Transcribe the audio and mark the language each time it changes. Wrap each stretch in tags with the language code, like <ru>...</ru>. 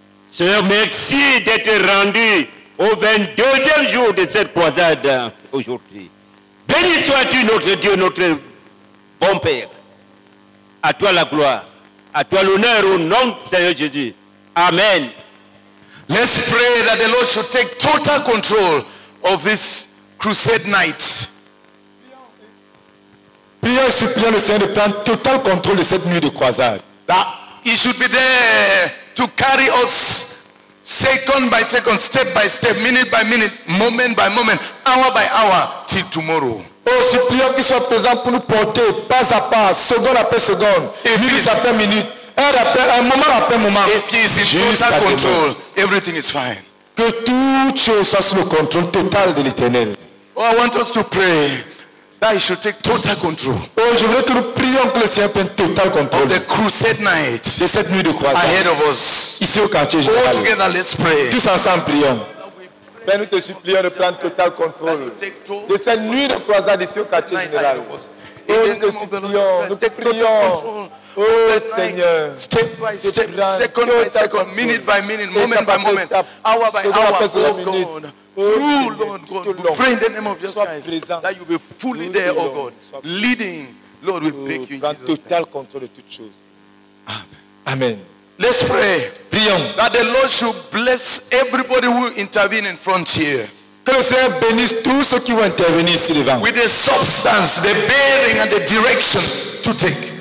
<fr>Seigneur, merci d'être rendu au 22e jour de cette croisade aujourd'hui. Béni sois-tu, notre Dieu, notre bon Père. À toi la gloire. À toi l'honneur au nom du Seigneur Jésus. Amen.</fr> <en>Let's pray that the Lord should take total control of this crusade night.</en> <fr>Prions et supplions le Seigneur de prendre total contrôle de cette nuit de croisade.</fr> <en>That he should be there to carry us second by second, step by step, minute by minute, moment by moment, hour by hour, till tomorrow.</en> <fr>Oh, supplions qu'il soit présent pour nous porter pas à pas, seconde après seconde, minute après minute, heure après un moment après moment.</fr> <en>If he is in total control, everything is fine.</en> <fr>Que toute chose soit sous le contrôle total de l'Éternel.</fr> <en>Oh, I want us to pray that he should take total control.</en> <fr>Oh, je voudrais que nous prions que le Seigneur prenne total contrôle.</fr> <en>Of the crusade night.</en> <fr>De cette nuit de croisade.</fr> <en>Ahead of us.</en> <fr>Ici au quartier général.</fr> <en>All together, let's pray.</en> <fr>Tous ensemble, prions. Père, nous te supplions de prendre total contrôle de cette nuit de croisade ici au quartier général. Oh, nous te supplions, nous te prions. Oh, Seigneur.</fr> <en>Step by step, second by second, minute by minute, moment by moment, hour by hour, oh God. Oh, Lord God, we pray in the name of Jesus Christ that you be fully there, oh God, leading. Lord, we thank you in Jesus' name. Total control of all things. Amen. Let's pray.</en> <fr>Prions.</fr> <en>That the Lord should bless everybody who intervene in front here.</en> <fr>Que le Seigneur bénisse tous ceux qui vont intervenir ici devant.</fr> <en>With the substance, the bearing and the direction to take.</en>